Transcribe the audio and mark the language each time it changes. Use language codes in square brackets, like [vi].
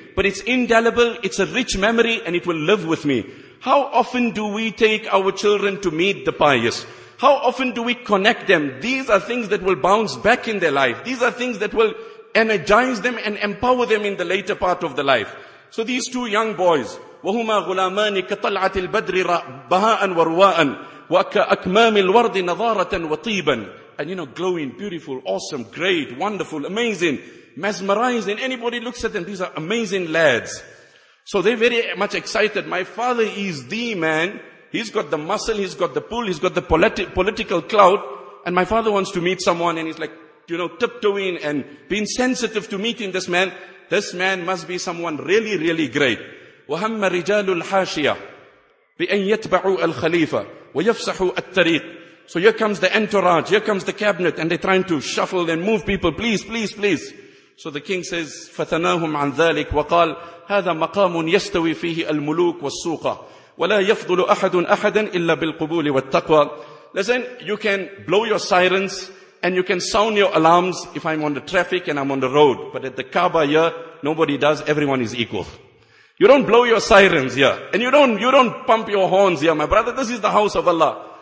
[en] But it's indelible, it's a rich memory, and it will live with me. How often do we take our children to meet the pious? How often do we connect them? These are things that will bounce back in their life. These are things that will energize them and empower them in the later part of the life. So these two young boys, [ar] وَهُمَا غُلَامَانِ كَطَلْعَةِ الْبَدْرِ بَهَاءً وَرُوَاءً وَأَكْمَامِ الْوَرْضِ نَظَارَةً وَطِيبًا. [en] And you know, glowing, beautiful, awesome, great, wonderful, amazing, mesmerizing. Anybody looks at them, these are amazing lads. So they're very much excited. My father is the man. He's got the muscle, he's got the pull, he's got the political clout. And my father wants to meet someone, and he's like, you know, tiptoeing and being sensitive to meeting this man. This man must be someone really, really great. [ar] وَهَمَّ رِجَالُ الْحَاشِيَةِ بِأَنْ يَتْبَعُوا الْخَلِيفَةِ وَيَفْسَحُوا الْتَّرِيقِ. [en] So here comes the entourage, here comes the cabinet, and they're trying to shuffle and move people. Please, please, please. So the king says, [ar] فَثَنَاهُمْ عَنْ ذَلِكَ وَقَالْ هَذَا مَقَامٌ يَسْتَوِي فِيهِ الْمُلُوكُ وَالسُّوقَ وَلَا يَفْضُلُ أَحَدٌ أَحَدًا إِلَّا بِالْقُبُولِ وَالتَّقْوَى. [en] Listen, you can blow your sirens and you can sound your alarms if I'm on the traffic and I'm on the road. But at the Kaaba here, nobody does. Everyone is equal. You don't blow your sirens here. And you don't pump your horns here. My brother, this is the house of Allah.